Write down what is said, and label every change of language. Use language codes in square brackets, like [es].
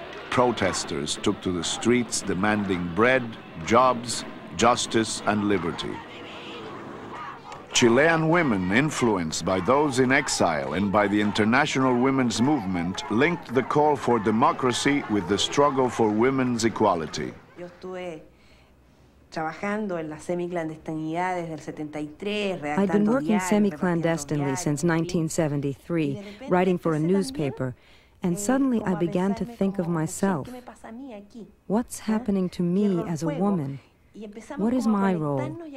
[en] Protesters took to the streets demanding bread, jobs, justice, and liberty. Chilean women, influenced by those in exile and by the international women's movement, linked the call for democracy with the struggle for women's equality. [es] Yo estuve trabajando en la semiclandestinidad desde el 73. [en] I've been working semi-clandestinely since 1973, writing for a newspaper, and suddenly I began to think of myself. What's happening to me as a woman? What is my role?